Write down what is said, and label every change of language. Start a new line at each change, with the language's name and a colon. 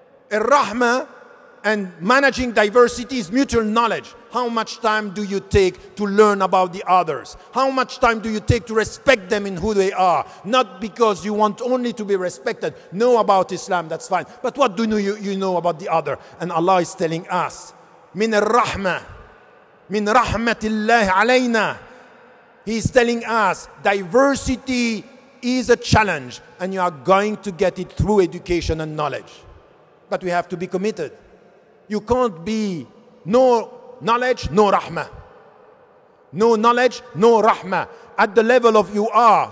English: الرَّحْمَة and managing diversity is mutual knowledge. How much time do you take to learn about the others? How much time do you take to respect them in who they are? Not because you want only to be respected. Know about Islam, that's fine. But what do you know about the other? And Allah is telling us,
Arabic: مِنْ الرَّحْمَةِ مِنْ رَحْمَةِ اللَّهِ عَلَيْنَا.
English: He's telling us, diversity is a challenge and you are going to get it through education and knowledge. But we have to be committed. You can't be no knowledge, no rahmah. No knowledge, no rahmah. At the level of you are.